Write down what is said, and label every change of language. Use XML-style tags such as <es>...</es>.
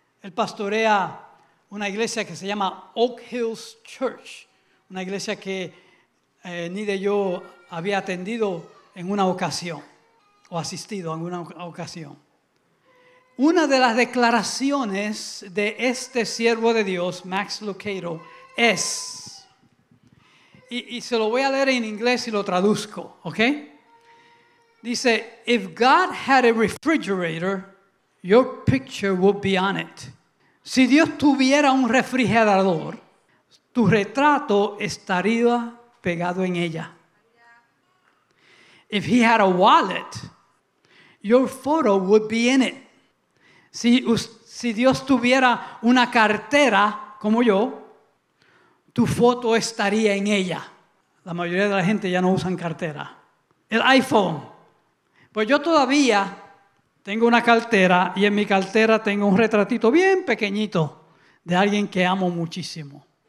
<es>Él pastorea una iglesia que se llama Oak Hills Church, una iglesia que Nidia y yo había atendido en una ocasión, o asistido en una ocasión. Una de las declaraciones de este siervo de Dios, Max Lucado, es, y se lo voy a leer en inglés y lo traduzco, ¿ok? Dice,</es> <en>if God had a refrigerator, your picture would be on it.</en> <es>Si Dios tuviera un refrigerador, tu retrato estaría pegado en ella.</es> <en>If he had a wallet, your photo would be in it.</en> <es>Si Dios tuviera una cartera como yo, tu foto estaría en ella. La mayoría de la gente ya no usan cartera. El iPhone. Pues yo todavía tengo una cartera y en mi cartera tengo un retratito bien pequeñito de alguien que amo muchísimo.</es>